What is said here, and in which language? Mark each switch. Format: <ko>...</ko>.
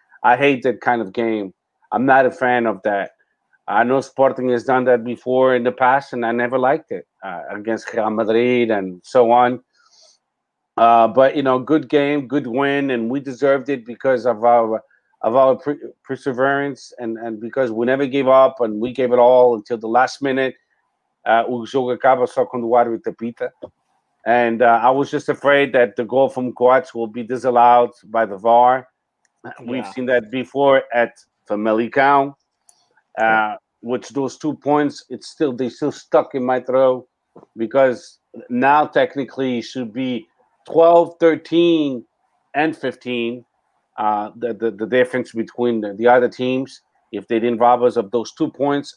<en>I hate that kind of game. I'm not a fan of that. I know Sporting has done that before in the past, and I never liked it against Real Madrid and so on. But, you know, good game, good win, and we deserved it because of our perseverance and because we never gave up and we gave it all until the last minute.</en> <pt>O jogo acaba só quando o árbitro apita.</pt> <en>And I was just afraid that the goal from Coates will be disallowed by the VAR. Yeah. We've seen that before at Famalicão. Which those 2 points, they're still stuck in my throat, because now technically it should be 12, 13, and 15, the difference between the other teams, if they didn't rob us of those 2 points.</en>